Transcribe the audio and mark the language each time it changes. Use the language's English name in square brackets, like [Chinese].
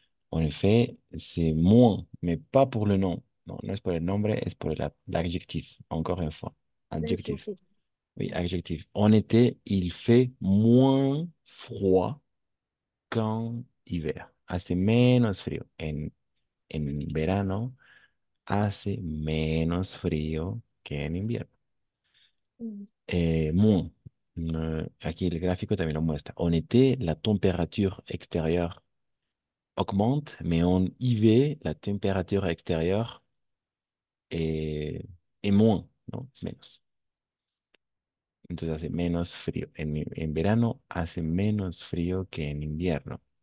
[French] En effet, c'est moins, mais pas pour le nom. Non, non, c'est pour le nombre, c'est pour l'adjectif, encore une fois. Adjectif. Oui, adjectif. En été, il fait moins froid qu'en hiver. [Spanish] Hace menos frío. En verano, hace menos frío que en invierno. [French] Moins. Ok, le graphique aussi le montre. En été, la température extérieure augmente, mais en hiver, la température extérieure est moins, non, c'est moins. [Spanish] Entonces hace menos frío. En verano hace menos frío que en invierno.